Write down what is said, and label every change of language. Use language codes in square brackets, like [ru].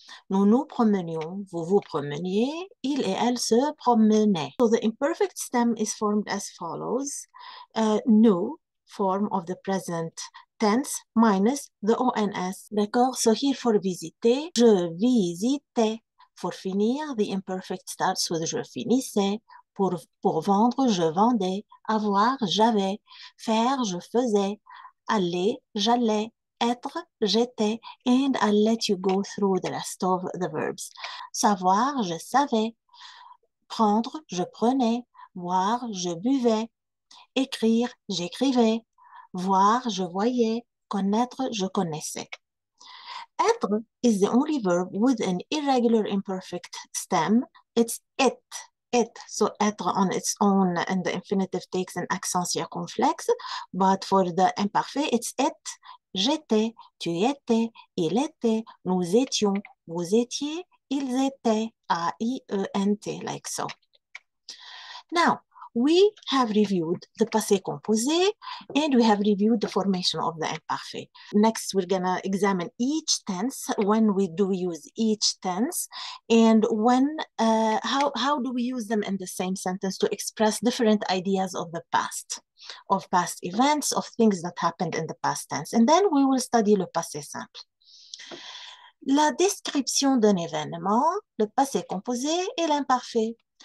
[fr] Nous nous promenions, vous vous promeniez, il et elle se promenaient. [en] So the imperfect stem is formed as follows. Nous, form of the present tense, minus the ONS. [fr] D'accord? [en] So here for visiter, [fr] je visitais. [en] For finir, the imperfect starts with [fr] je finissais. Pour vendre, je vendais. Avoir, j'avais. Faire, je faisais. Aller, j'allais. Être, j'étais, [en] and I'll let you go through the rest of the verbs. [fr] Savoir, je savais. Prendre, je prenais. Boire, je buvais. Écrire, j'écrivais. Voir, je voyais. Connaître, je connaissais. [en] Être is the only verb with an irregular imperfect stem. It's it. It, so être on its own, and the infinitive takes an accent circumflex, but for the imperfect, it's it. [fr] J'étais, tu étais, il était, nous étions, vous étiez, ils étaient, A-I-E-N-T, [en] like so. Now, we have reviewed the passé composé and we have reviewed the formation of the imparfait. Next, we're going to examine each tense, when we do use each tense, and when, how do we use them in the same sentence to express different ideas of the past. Of past events, of things that happened in the past tense. And then we will study le passé simple. [fr] La description d'un événement, le passé composé et l'imparfait.